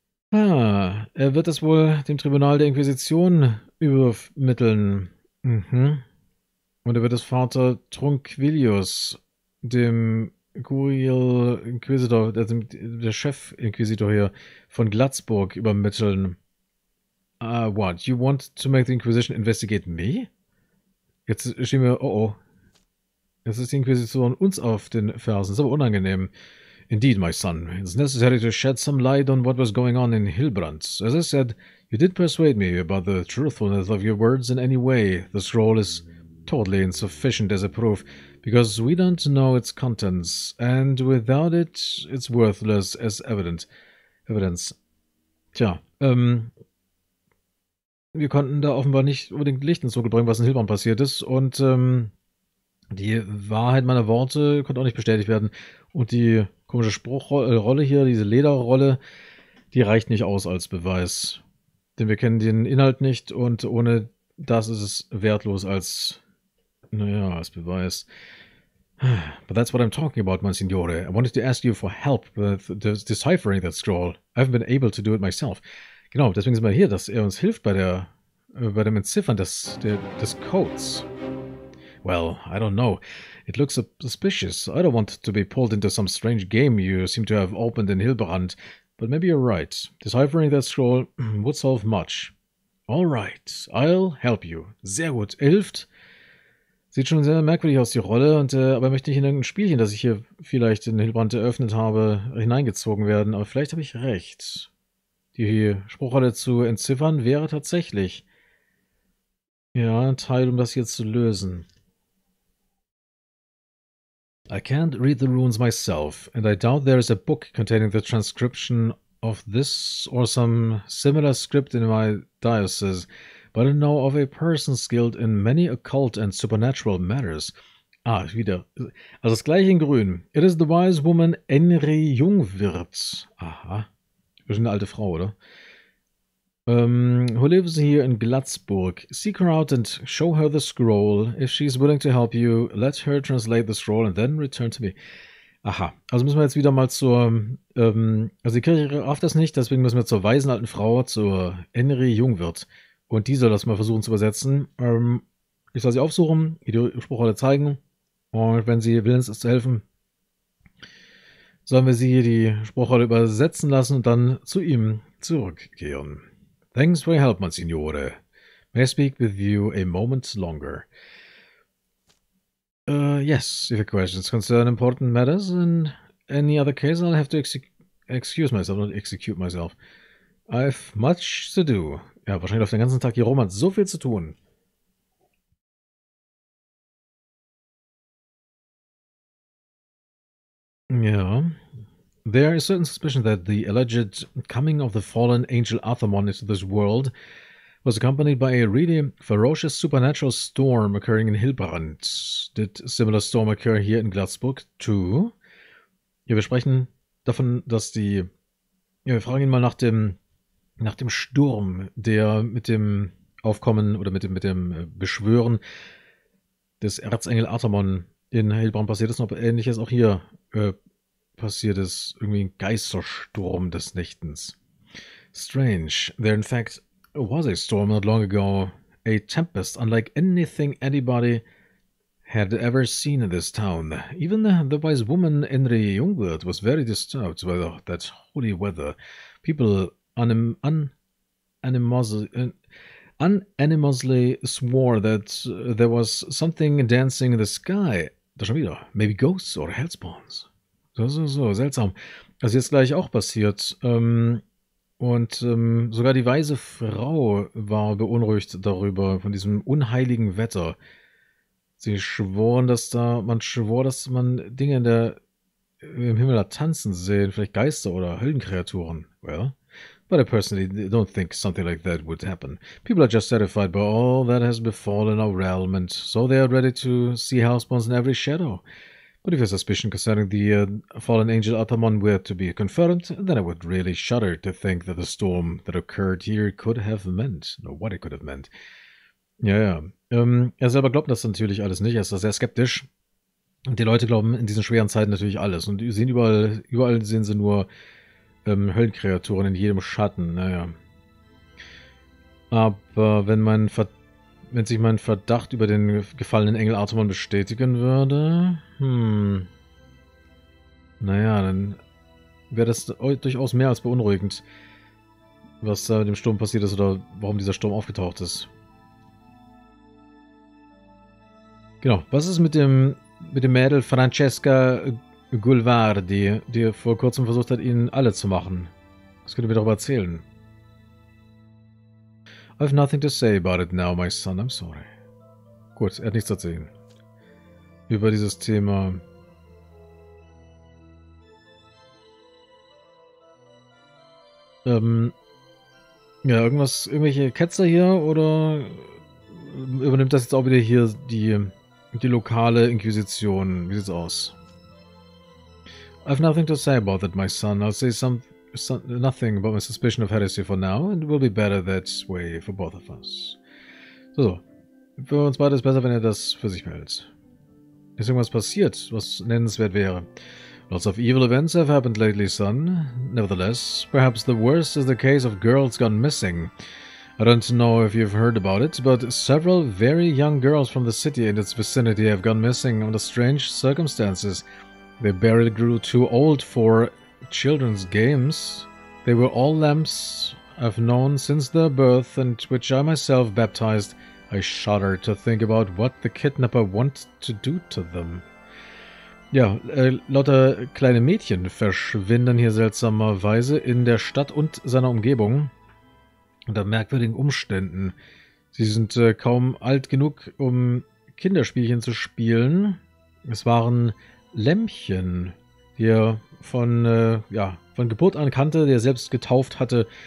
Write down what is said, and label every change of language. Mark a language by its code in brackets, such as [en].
[de] Er wird es wohl dem Tribunal der Inquisition übermitteln. Und er wird es Vater Trunquilius, dem Curial Inquisitor, der Chefinquisitor hier von Glatzburg, übermitteln. [en] What? You want to make the Inquisition investigate me? [de] Jetzt stehen wir, jetzt ist die Inquisition uns auf den Fersen. Ist aber unangenehm. [en] Indeed, my son, it's necessary to shed some light on what was going on in Hilbrand. As I said, you did persuade me about the truthfulness of your words in any way. The scroll is totally insufficient as a proof, because we don't know its contents, and without it, it's worthless as evidence. [de] Tja, wir konnten da offenbar nicht unbedingt Licht ins Dunkel bringen, was in Hilbrand passiert ist. Und die Wahrheit meiner Worte konnte auch nicht bestätigt werden. Und die komische Spruchrolle hier, diese Lederrolle, die reicht nicht aus als Beweis. Denn wir kennen den Inhalt nicht und ohne das ist es wertlos als, naja, als Beweis. [en] But that's what I'm talking about, Monsignore. I wanted to ask you for help with deciphering that scroll. I haven't been able to do it myself. Genau, deswegen sind wir hier, dass er uns hilft bei dem Entziffern des Codes. Well, I don't know. It looks suspicious. I don't want to be pulled into some strange game you seem to have opened in Hilbrand. But maybe you're right. Deciphering that scroll would solve much. All right, I'll help you. [de] Sehr gut. Er hilft. Sieht schon sehr merkwürdig aus, die Rolle. Aber möchte ich in irgendein Spielchen, das ich hier vielleicht in Hilbrand eröffnet habe, hineingezogen werden. Aber vielleicht habe ich recht. Die Spruchrolle zu entziffern wäre tatsächlich ja ein Teil, um das hier zu lösen. [en] I can't read the runes myself, and I doubt there is a book containing the transcription of this or some similar script in my diocese, but I know of a person skilled in many occult and supernatural matters. [de] Ah, wieder. Also das gleiche in grün. [en] It is the wise woman Enri Jungwirt. [de] Aha. Bestimmt eine alte Frau, oder? [en] Who lives here in Glatzburg. Seek her out and show her the scroll. If she's willing to help you, let her translate the scroll and then return to me. [de] Aha, also müssen wir jetzt wieder mal zur... die Kirche rafft das nicht, deswegen müssen wir zur weisen alten Frau, zur Enri Jungwirt. Und die soll das mal versuchen zu übersetzen. Ich soll sie aufsuchen, ihr die Spruchrolle zeigen. Und wenn sie willens ist zu helfen... Sollen wir sie hier die Spruchrolle übersetzen lassen und dann zu ihm zurückkehren. [en] Thanks for your help, Monsignore. May I speak with you a moment longer? Yes, if your questions concern important matters, in any other case I'll have to excuse myself, not execute myself. much to do. [de] Ja, wahrscheinlich läuft den ganzen Tag hier rum, hat so viel zu tun. Ja. [en] There is certain suspicion that the alleged coming of the fallen angel Athamon into this world was accompanied by a really ferocious supernatural storm occurring in Hildbrand. Did a similar storm occur here in Glatzburg too? [de] Ja, wir sprechen davon, dass die. Ja, wir fragen ihn mal nach dem Sturm, der mit dem Aufkommen oder mit dem Beschwören des Erzengel Athamon in Hildbrand passiert ist und ob Ähnliches auch hier passiert ist. Irgendwie ein Geistersturm des Nächtens. [en] Strange. There in fact was a storm not long ago. A tempest unlike anything anybody had ever seen in this town. Even the wise woman Enri Jungwirth was very disturbed by that holy weather. People unanimously swore that there was something dancing in the sky. [de] Da schon wieder. [en] Maybe ghosts or hellspawns. [de] So, seltsam. Das ist jetzt gleich auch passiert. Und sogar die weise Frau war beunruhigt darüber, von diesem unheiligen Wetter. Man schwor, dass man Dinge im Himmel hat tanzen sehen, vielleicht Geister oder Höllenkreaturen. [en] Well, but I personally don't think something like that would happen. People are just terrified by all that has befallen our realm, and so they are ready to see hellspawns in every shadow. But if your suspicion concerning the fallen angel Athamon were to be confirmed, then I would really shudder to think that the storm that occurred here could have meant, or what it could have meant. [de] Ja. Er selber glaubt das natürlich alles nicht. Er ist da sehr skeptisch. Und die Leute glauben in diesen schweren Zeiten natürlich alles. Und sehen überall sehen sie nur Höllenkreaturen in jedem Schatten. Naja. Aber wenn sich mein Verdacht über den gefallenen Engel Artemon bestätigen würde, naja, dann wäre das durchaus mehr als beunruhigend, was da mit dem Sturm passiert ist oder warum dieser Sturm aufgetaucht ist. Genau, was ist mit dem Mädel Francesca Gulvardi, die vor kurzem versucht hat, ihn alle zu machen? Was könnt ihr mir darüber erzählen? [en] I have nothing to say about it now, my son. I'm sorry. [de] Gut, er hat nichts zu erzählen. Über dieses Thema. Ja, irgendwelche Ketzer hier oder übernimmt das jetzt auch wieder hier die lokale Inquisition? Wie sieht's aus? [en] I have nothing to say about that, my son. I'll say nothing about my suspicion of heresy for now, and it will be better that way for both of us. [de] So, für uns beide ist es besser, wenn er das für sich behält. Ist irgendwas passiert, was nennenswert wäre? [en] Lots of evil events have happened lately, son. Nevertheless, perhaps the worst is the case of girls gone missing. I don't know if you've heard about it, but several very young girls from the city and its vicinity have gone missing under strange circumstances. They barely grew too old for children's games. They were all lambs I've known since their birth, and which I myself baptized. I shudder to think about what the kidnapper want to do to them. [de] Ja, lauter kleine Mädchen verschwinden hier seltsamerweise in der Stadt und seiner Umgebung unter merkwürdigen Umständen. Sie sind kaum alt genug, um Kinderspielchen zu spielen. Es waren Lämmchen, die er von Geburt an kannte, die er selbst getauft hatte.